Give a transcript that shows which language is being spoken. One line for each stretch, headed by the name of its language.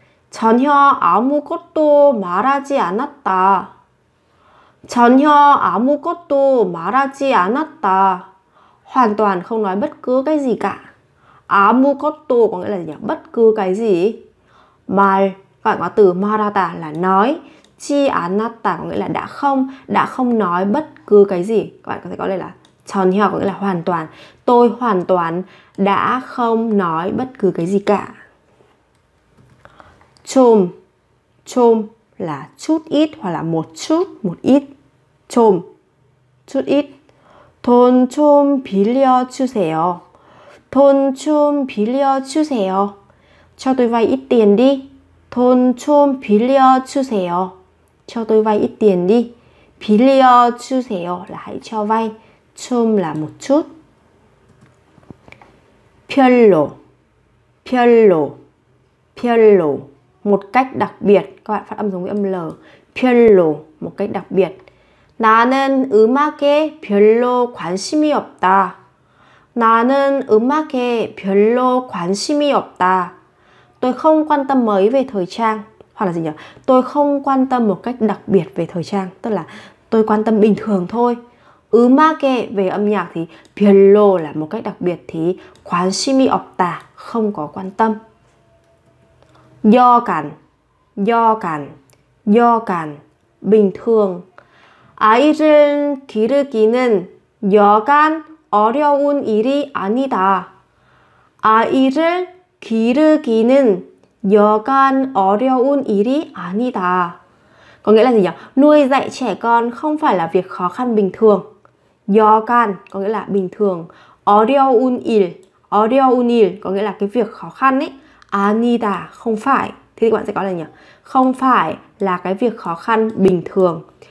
Korean: 전혀 아무것도 말하지 않았다. 전혀 아무것도 말하지 않았다.
Vietnamese: Hoàn toàn không nói bất cứ cái gì cả. 아무것도 có nghĩa là gì nhỉ? Bất cứ cái gì.
Korean: 말
Vietnamese: các bạn có từ 말하다 là nói. 지 않았다 có nghĩa là đã không nói bất cứ cái gì. Các bạn có thể có đây là 전혀 có nghĩa là hoàn toàn. Tôi hoàn toàn đã không nói bất cứ cái gì cả.
Korean: 좀,
Vietnamese: 좀 là chút ít hoặc là một chút, một ít.
Korean: 좀,
Vietnamese: chút ít.
Korean: 돈 좀 빌려주세요. 돈 좀 빌려주세요.
Vietnamese: Cho tôi vay ít tiền đi.
Korean: 돈 좀 빌려주세요.
Vietnamese: Cho tôi vay ít tiền đi.
Korean: 빌려주세요
Vietnamese: là hãy cho vay. 좀 là một chút.
Korean: 별로, 별로, 별로.
Vietnamese: Một cách đặc biệt, các bạn phát âm giống với âm L. 별로, một cách đặc biệt.
Korean: 나는 음악에 별로 관심이 없다. 나는 음악에 별로 관심이 없다.
Vietnamese: Tôi không quan tâm mấy về thời trang. Hoặc là gì nhỉ? Tôi không quan tâm một cách đặc biệt về thời trang. Tức là tôi quan tâm bình thường thôi. 음악에 về âm nhạc thì 별로 là một cách đặc biệt. Thì 관심이 없다, không có quan tâm.
Korean: 여간, 여간, 여간,
Vietnamese: bình thường.
Korean: 아이를 기르기는 여간 어려운 일이 아니다. 아이를 기르기는 여간 어려운 일이 아니다.
Vietnamese: Có nghĩa là gì nhỉ? Nuôi dạy trẻ con không phải là việc khó khăn bình thường.
Korean: 여간
Vietnamese: có nghĩa là bình thường. 어려운 일, 어려운 일 có nghĩa là cái việc khó khăn ấy. 아니다, không phải. Thế thì các bạn sẽ có là nhỉ? Không phải là cái việc khó khăn bình thường.